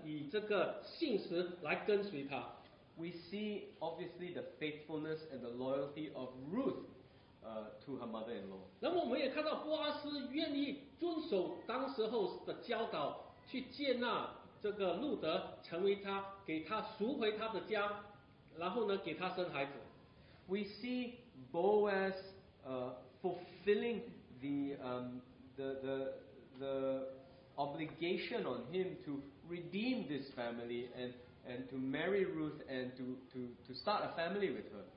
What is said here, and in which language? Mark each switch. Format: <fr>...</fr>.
<zh>那么我们也看到路德呢，做了一个决定，要跟随她的夫家，要跟随她的夫妻，这个她的夫丈夫的夫家，到他那边以忠诚，以这个信实来跟随他。</zh> <en>We see obviously the faithfulness and the loyalty of Ruth. To her mother-in-law.</en> <zh>那么我们也看到波阿斯愿意遵守当时候的教导，去接纳这个路德，成为他，给他赎回他的家，然后呢，给他生孩子。</zh> <en>We see Boaz fulfilling the obligation on him to redeem this family and to marry Ruth and to start a family with her.</en>